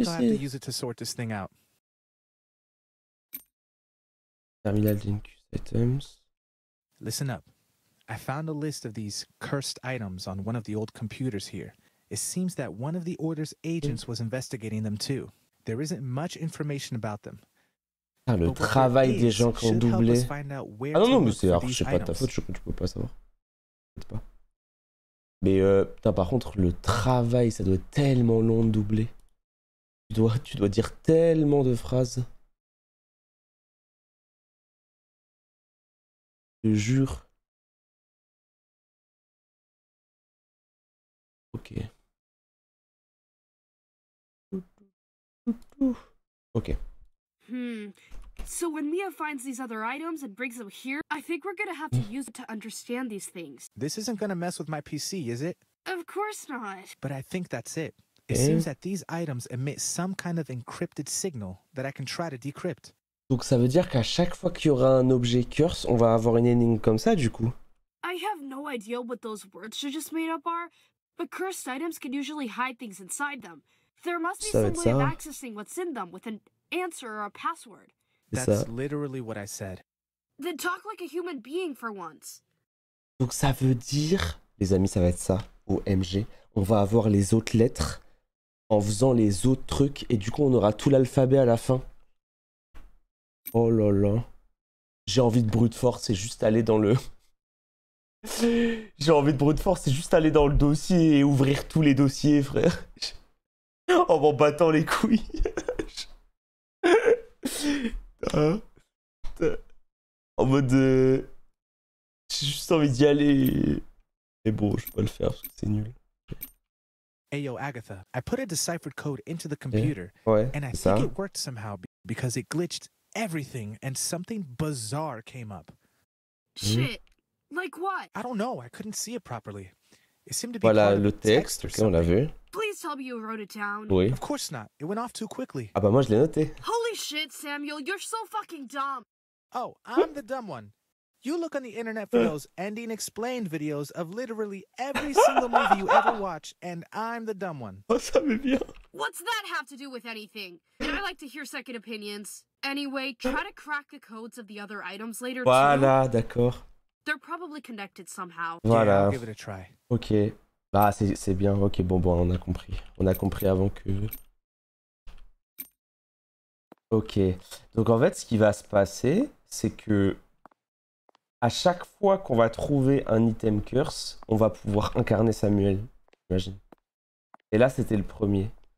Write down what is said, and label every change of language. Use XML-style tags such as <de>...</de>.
<en>I think I'll have to use it to sort this thing out. Terminal Link items. Listen up. I found a list of these cursed items on one of the old computers here. It seems that one of the Order's agents was investigating them too. There isn't much information about them.</en> <fr>Ah, le travail des gens qui ont doublé. Ah non, non, mais c'est... Alors, je sais pas, ta faute, je peux pas savoir. Peut-être pas. Mais, putain, par contre, le travail, ça doit être tellement long de doubler. Tu dois dire tellement de phrases. Je jure. Ok. Ok.</fr> <en>So when Mia finds these other items and brings them here, I think we're gonna have to use it to understand these things. This isn't gonna mess with my PC, is it? Of course not. But I think that's it. It seems that these items emit some kind of encrypted signal that I can try to decrypt.</en> <fr>Donc ça veut dire qu'à chaque fois qu'il y aura un objet curse, on va avoir une énigme comme ça, du coup.</fr> <en>I have no idea what those words you just made up are, but cursed items can usually hide things inside them. There must be some way of accessing what's in them with an answer or a password. That's literally what I said. Then talk like a human being for once.</en> <fr>Donc ça veut dire, les amis, ça va être ça, OMG, on va avoir les autres lettres en faisant les autres trucs et du coup on aura tout l'alphabet à la fin. Oh là là. J'ai envie de brute force et juste aller dans le... J'ai envie de brute force et juste aller dans le dossier et ouvrir tous les dossiers, frère. En m'en battant les couilles. En mode j'ai juste envie d'y aller et bon je peux pas le faire parce que c'est nul.</fr> <en>Hey yo Agatha, I put a deciphered code into the computer</en> <fr>ouais,</fr> <en>and I</en> <fr>ça.</fr> <en>Think it worked somehow because it glitched everything and something bizarre came up. Shit, like what? I don't know, I couldn't see it properly. It seemed to be</en> <fr>voilà le texte,</fr> <en>text</en> <fr>ok on l'a vu.</fr> <en>Please tell me you wrote it down.</en> <fr>Oui.</fr> <en>Of course not. It went off too quickly.</en> <fr>Ah bah moi je l'ai noté.</fr> <en>Holy shit, Samuel, you're so fucking dumb. Oh, I'm the dumb one. You look on the internet for those ending explained videos of literally every single movie you ever watch, and I'm the dumb one.</en> <fr>Oh, ça m'est bien.</fr> <en>What's that have to do with anything? And I like to hear second opinions. Anyway, try to crack the codes of the other items later</en> <fr>voilà,</fr> <en>too.</en> <fr>Voilà, d'accord.</fr> <en>They're probably connected somehow.</en> <fr>Voilà.</fr> <en>Yeah, I'll give it a try.</en> <fr>Ok. Ah, c'est bien, ok, bon, on a compris. On a compris avant que... Ok, donc en fait, ce qui va se passer, c'est que... À chaque fois qu'on va trouver un item curse, on va pouvoir incarner Samuel, j'imagine. Et là, c'était le premier.</fr>